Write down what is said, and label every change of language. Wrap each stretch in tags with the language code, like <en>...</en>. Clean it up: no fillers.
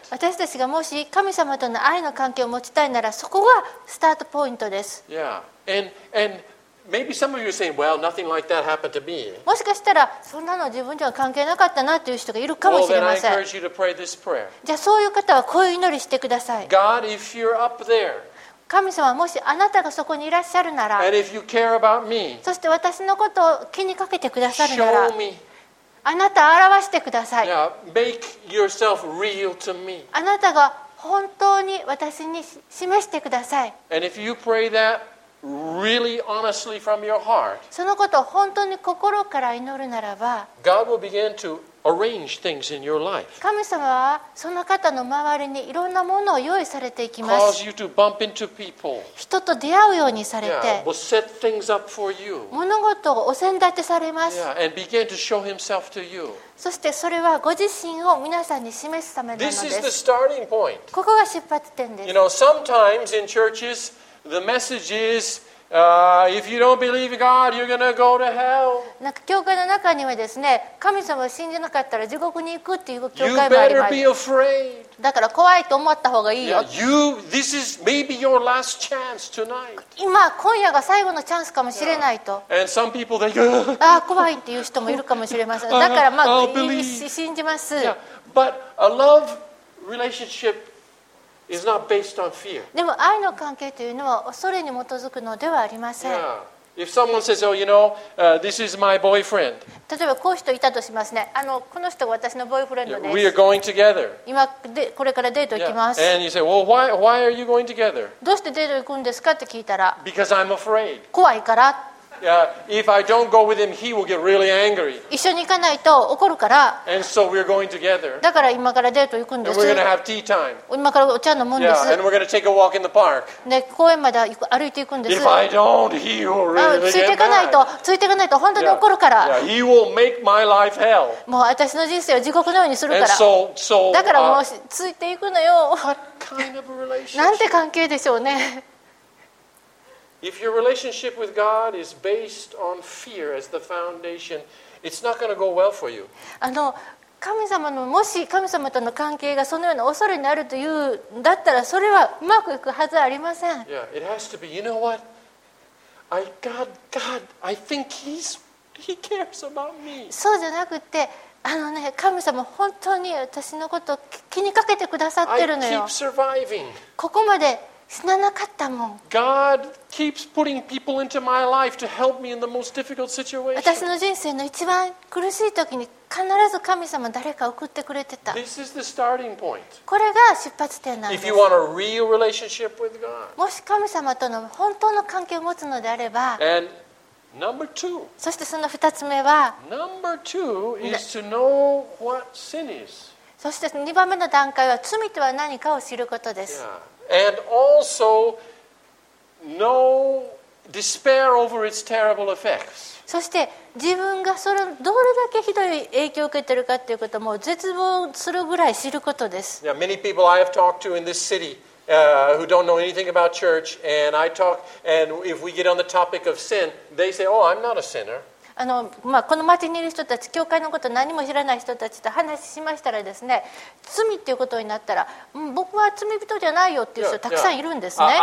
<ja>私たちがもし神様との愛の関係を持ちたいなら、そこがスタートポイントです。</ja> <en>Yeah. And maybe some of you are saying, "Well, nothing like that happened to me."</en> <ja>もしかしたらそんなの自分には関係なかったなという人がいるかもしれません。</ja> <en>Well, then I encourage you to pray this prayer.</en> <ja>じゃあそういう方はこういう祈りしてください。</ja> <en>God, if you're up there,</en> <ja>神様もしあなたがそこにいらっしゃるなら、</ja> <en>and if you care about me,</en> <ja>そして私のことを気にかけてくださるなら、</ja> <en>show me,</en> <ja>あなた表してください。</ja> <en>Yeah, make yourself real to me.</en> <ja>あなたが本当に私に示してください。</ja> <en>And if you pray that. Really honestly from your heart,</en> <ja>そのことを本当に心から祈るならば、</ja> <en>God will begin to arrange things in your life.</en> <ja>神様はその方の周りにいろんなものを用意されていきます。</ja> <en>Cause you to bump into people.</en> <ja>人と出会うようにされて、</ja> <en>yeah, will set things up for you.</en> <ja>物事をお膳立てされます。</ja> <en>Yeah, and begin to show himself to you.</en> <ja>そしてそれはご自身を皆さんに示すためなのです。</ja> <en>This is the starting point.</en> <ja>ここが出発点です。</ja> <en>You know, sometimes in churches. The message is, if you don't believe God, you're gonna go to hell.</en> <ja>なんか教会の中にはですね、神様を信じなかったら地獄に行くっていう教会もあります。</ja> <en>You better be afraid.</en> <ja>だから怖いと思った方がいいよ。</ja> <en>Yeah, you, this is maybe your last chance tonight.</en> <ja>今、今夜が最後のチャンスかもしれないと。</ja> <en>Yeah. And some people they go,</en> <ja>ああ、怖いっていう人もいるかもしれません。だからまあ、</ja> <en>I'll believe.</en> <ja>信じます。</ja> <en>Yeah. But a love relationship. Is not based on fear.</en> <ja>でも愛の関係というのは恐れに基づくのではありません。</ja> <en>Yeah. If someone says, "Oh, you know, this is my boyfriend."</en> <ja>例えばこういう人いたとしますね。あのこの人が私のボーイフレンドです。</ja> <en>We are going together.</en> <ja>今でこれからデート行きます。</ja> <en>Yeah. And you say, "Well, why are you going together?"</en> <ja>どうしてデート行くんですかって聞いたら、</ja> <en>Because I'm afraid.</en> <ja>怖いから。</ja> <en>If I don't go with him, he will get really angry.</en> <ja>一緒に行かないと怒るから。</ja> <en>And so we're going together.</en> <ja>だから今からデート行くんです。</ja> <en>And we're going to have tea time.</en> <ja>今からお茶飲むんです。</ja> <en>Yeah, and we're going to take a walk in the park.</en> <ja>で、公園まで歩いて行くんです。</ja> <en>If I don't, he will really get mad.</en> <ja>ついていかないと本当に怒るから。</ja> <en>Yeah, he will make my life hell.</en> <ja>もう私の人生を地獄のようにするから。</ja> <en>And so,</en> <ja>だからもうついていくのよ。</ja> <en>What kind of relationship?</en> <ja>なんて関係でしょうね。</ja> <en>If your relationship with God is based on fear as the foundation, it's not going to go well for you.</en> <ja>あの、神様のもし神様との関係がそのような恐れになるというだったら、それはうまくいくはずありません。</ja> <en>Yeah, it has to be. You know what? God, I think he cares about me.</en> <ja>そうじゃなくて、あのね、神様本当に私のこと気にかけてくださってるのよ。</ja> <en>I keep surviving.</en> <ja>ここまで。死ななかったもん。</ja> <en>God keeps putting people into my life to help me in the most difficult situation.</en> <ja>私の人生の一番苦しい時に必ず神様誰か送ってくれてた。</ja> <en>This is the starting point.</en> <ja>これが出発点なんです。</ja> <en>If you want a real relationship with God.</en> <ja>もし神様との本当の関係を持つのであれば。</ja> <en>And Number two.</en> <ja>そしてその二つ目は。</ja> <en>Number two is to know what sin is.</en> <ja>そして二番目の段階は罪とは何かを知ることです。</ja> <en>Yeah. And also know despair over its terrible effects.</en> <ja>そして自分がそれどれだけひどい影響を受けているかということも絶望するぐらい知ることです。</ja> <en>Yeah, many people I have talked to in this city, who don't know anything about church, and I talk, and if we get on the topic of sin, they say, "Oh, I'm not a sinner."</en> <ja>この町にいる人たち、教会のこと何も知らない人たちと話しましたらですね、罪っていうことになったら、僕は罪人じゃないよっていう人たくさんいるんですね。</ja>